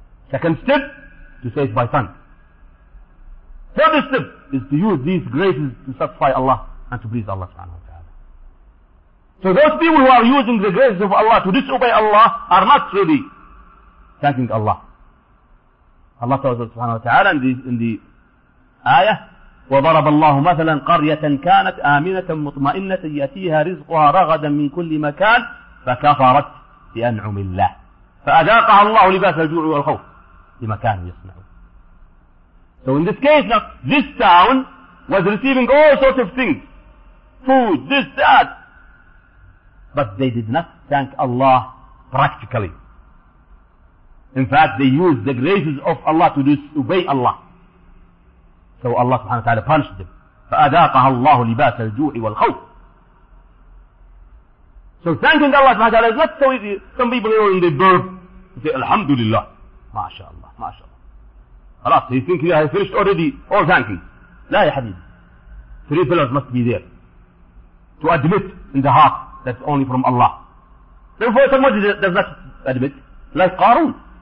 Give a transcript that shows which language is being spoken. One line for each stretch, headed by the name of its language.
English: Second step, to say it by tongue. Third step is to use these graces to satisfy Allah and to please Allah subhanahu wa ta'ala. So those people who are using the graces of Allah to disobey Allah are not really thanking Allah. Allah subhanahu wa ta'ala in the ayah,
Arabic: وضرب الله مثلا قرية كانت آمنة مطمئنة يأتيها رزقها رغدا من كل مكان فكفرت بأنعم الله فأذاقها الله لباس الجوع والخوف لما كانوا يصنعون.
English: So in this case, now, this town was receiving all sorts of things, food, this, that, but they did not thank Allah practically. In fact, they used the graces of Allah to disobey Allah. So Allah subhanahu wa ta'ala punished them.
Arabic: فأذاقها الله لباس الجوع والخوف.
English: So thanking Allah subhanahu wa ta'ala is not so easy. Some people, you know, when they burp, they say, Alhamdulillah. MashaAllah, MashaAllah. Khalas, he's thinking, yeah, I finished already all thanking.
Arabic: La ya habibi.
English: Three pillars must be there. To admit in the heart that's only from Allah. Therefore, someone does not admit. Like Qarun.